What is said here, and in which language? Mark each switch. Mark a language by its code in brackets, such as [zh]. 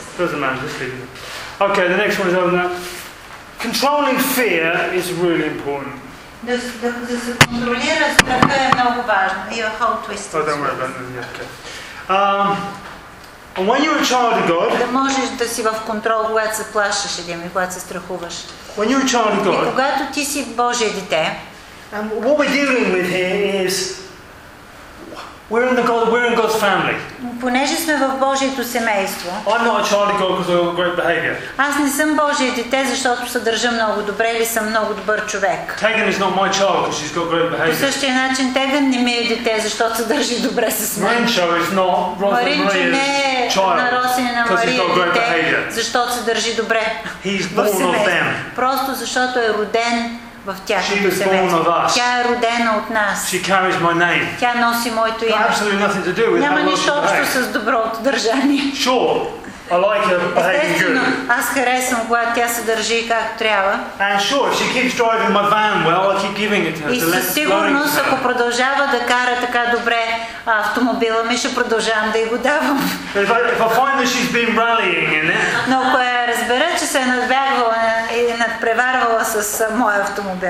[en] Doesn't matter, just leave it. Okay, the next one is over now. Controlling fear is really important. And when you're a child of God, [bg] да можеш да си в контрол, когато се плашиш един и когато се страхуваш. [en] When you're a child of God, [bg] и когато ти си Божие дете, [en] what we're dealing with here is we're in the God, we're in God's family. [bg] Понеже сме в Божието семейство. [en] I'm not a child of God because I've got great behavior. [bg] Аз не съм Божие дете, защото се държа много добре или съм много добър човек. [en] Tegan is not my child because she's got great behavior. [bg] По същия начин Теган не ми е дете, защото се държи добре с мен. [en] Маринчо is not Rosa Maria's child. Because he's got great behavior. [bg] Защото се държи добре. [en] He's born of them. [bg] Просто защото е роден в тяхното семейство. Тя е родена от нас. [en] She carries my name. [bg] Тя носи моето име. [en] Absolutely nothing to do with [bg] няма нищо общо с доброто държание. [en] Sure. I like her behaving good. [bg] Аз харесвам, когато тя се държи както трябва. [en] And sure, if she keeps driving my van well, I keep giving it to her. [bg] И със сигурност, ако продължава да кара така добре автомобила ми, ще продължавам да й го давам. [en] If I find that she's been rallying in it. [bg] Но ако я разбера, че се е надбягвала и надпреварвала с моя автомобил,